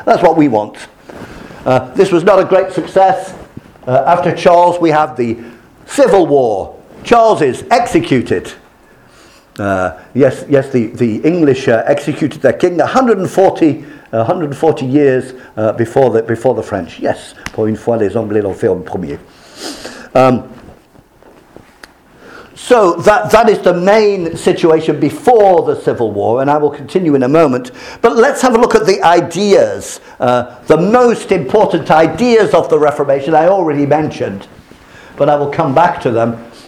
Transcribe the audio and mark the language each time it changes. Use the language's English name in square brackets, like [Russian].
[English] That's what we want." This was not a great success. After Charles, we have the Civil War. Charles is executed. The English executed their king 140 years before the French. [French] Yes, pour une fois les Anglais l'ont fait en premier. [English] So that is the main situation before the Civil War, and I will continue in a moment. But let's have a look at the ideas, the most important ideas of the Reformation I already mentioned, but I will come back to them.